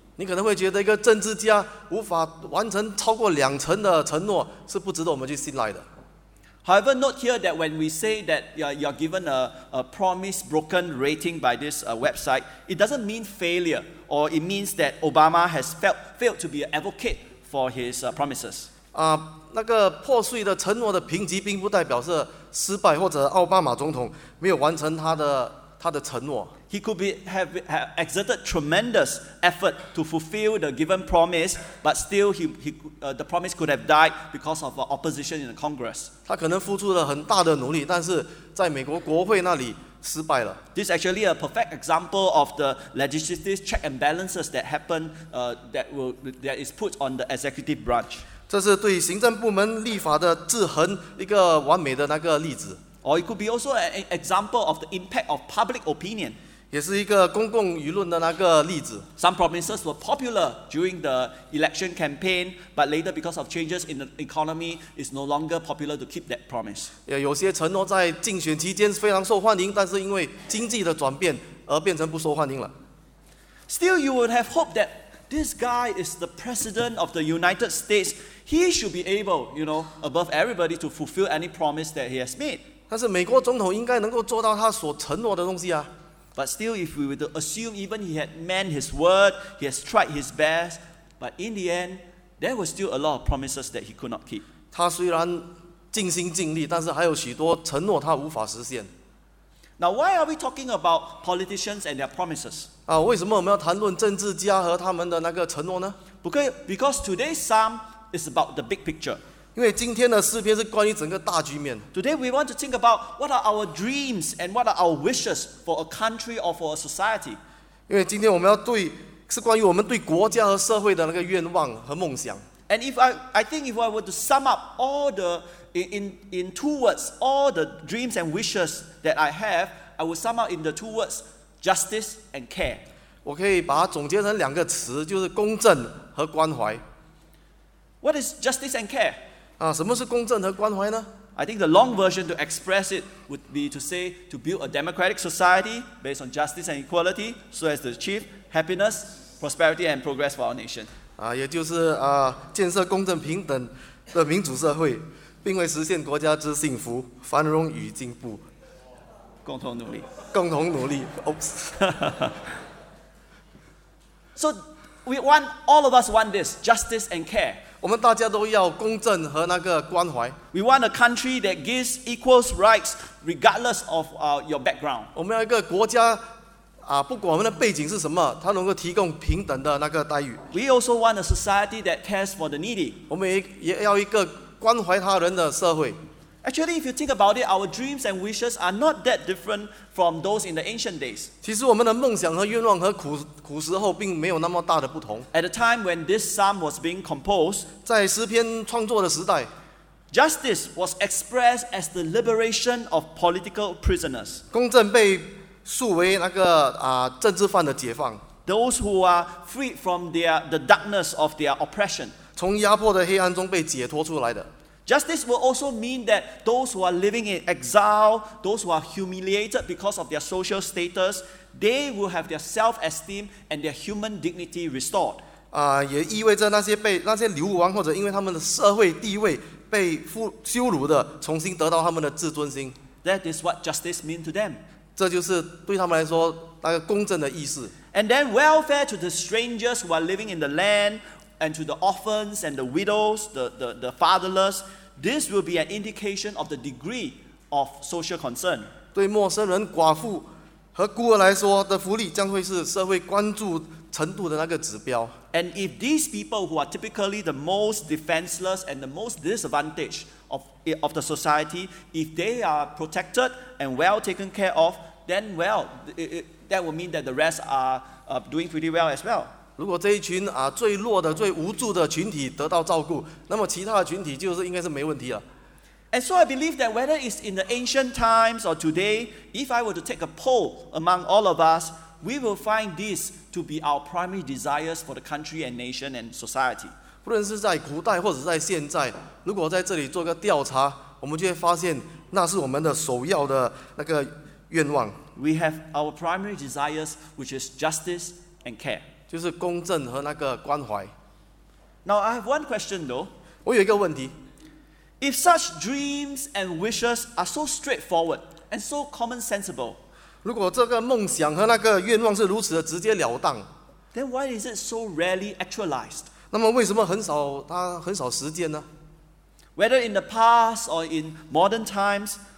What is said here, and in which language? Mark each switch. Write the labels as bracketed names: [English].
[Chinese] 你可能会觉得一个政治家无法完成超过20%的承诺是不值得我们去信赖的。 [English] However, note here that when we say that you're given a promise broken rating by this website, it doesn't mean failure, or it means that Obama has failed to be an advocate for his promises. [Chinese] 那个破碎的承诺的评级并不代表是失败，或者奥巴马总统没有完成他的承诺。 [English] He could have exerted tremendous effort to fulfill the given promise, but still the promise could have died because of opposition in the Congress. [Chinese] 他可能付出了很大的努力，但是在美国国会那里失败了。 [English] This is actually a perfect example of the legislative check and balances that happen that is put on the executive branch. [Chinese] 这是对行政部门立法的制衡一个完美的那个例子。 [English] Or it could be also an example of the impact of public opinion. [Chinese] 也是一个公共舆论的那个例子。 [English] Some promises were popular during the election campaign, but later because of changes in the economy, it's no longer popular to keep that promise. [Chinese] 也有些承诺在竞选期间非常受欢迎，但是因为经济的转变而变成不受欢迎了。 [English] Still, you would have hoped that this guy is the president of the United States. He should be able, you know, above everybody to fulfill any promise that he has made. [Chinese] 但是美国总统应该能够做到他所承诺的东西啊。 [English] But still, if we were to assume even he had meant his word, he has tried his best, but in the end, there were still a lot of promises that he could not keep. [Chinese] 他虽然尽心尽力，但是还有许多承诺他无法实现。 [English] Now, why are we talking about politicians and their promises? [Chinese] 啊，为什么我们要谈论政治家和他们的那个承诺呢？ [English] Because today's psalm is about the big picture. [Chinese] 因为今天的诗篇是关于整个大局面。 [English] Today we want to think about what are our dreams and what are our wishes for a country or for a society. [Chinese] 因为今天我们要对是关于我们对国家和社会的那个愿望和梦想。 [English] And if I were to sum up all the in two words, all the dreams and wishes that I have, I would sum up in the two words justice and care. [Chinese] 我可以把它总结成两个词，就是公正和关怀。 [English] What is justice and care? [Chinese] 啊，什么是公正和关怀呢？ [English] I think the long version to express it would be to say to build a democratic society based on justice and equality so as to achieve happiness, prosperity and progress for our nation. [Chinese] 啊，也就是啊，建设公正平等的民主社会，并为实现国家之幸福、繁荣与进步。共同努力。共同努力。Oops. [English] So we want all of us want this justice and care. [Chinese] 我们大家都要公正和那个关怀。 [English] We want a country that gives equal rights regardless of your background. [Chinese] 我们要一个国家，啊，不管我们的背景是什么，它能够提供平等的那个待遇。 [English] We also want a society that cares for the needy. [Chinese] 我们也要一个关怀他人的社会。 [English] Actually, if you think about it, our dreams and wishes are not that different from those in the ancient days. [Chinese] 其实我们的梦想和愿望和古时候并没有那么大的不同。 [English] At the time when this psalm was being composed, [Chinese] 在诗篇创作的时代， [English] justice was expressed as the liberation of political prisoners. [Chinese] 公正被视为那个政治犯的解放。 [English] Those who are freed from the darkness of their oppression. [Chinese] 从压迫的黑暗中被解脱出来的。 [English] Justice will also mean that those who are living in exile, those who are humiliated because of their social status, they will have their self-esteem and their human dignity restored. [Chinese] 也意味着那些流亡或者因为他们的社会地位被羞辱的，重新得到他们的自尊心。 [English] That is what justice means to them. [Chinese] 这就是对他们来说那个公正的意思。 [English] And then welfare to the strangers who are living in the land. And to the orphans and the widows, the fatherless, this will be an indication of the degree of social concern. [Chinese] 对陌生人、寡妇和孤儿来说的福利，将会是社会关注程度的那个指标。 [English] And if these people who are typically the most defenseless and the most disadvantaged of the society, if they are protected and well taken care of, then well, that will mean that the rest are doing pretty well as well. [Chinese] 如果这一群最弱的、最无助的群体得到照顾，那么其他的群体就是应该是没问题了。 [English] And so I believe that whether it's in the ancient times or today, if I were to take a poll among all of us, we will find this to be our primary desires for the country and nation and society. [Chinese] 不论是在古代或者在现在，如果在这里做个调查，我们就会发现那是我们的首要的那个愿望。 [English] We have our primary desires, which is justice and care. [Chinese] 就是公正和那个关怀。 [English] Now I have one question though. [Chinese] 我有一个问题。 [English] If such dreams and wishes are so straightforward and so common sensible, [Chinese] 如果这个梦想和那个愿望是如此的直接了当， [English] then why is it so rarely actualized? [Chinese] 那么为什么它很少实践呢？ [English] Whether in the past or in modern times,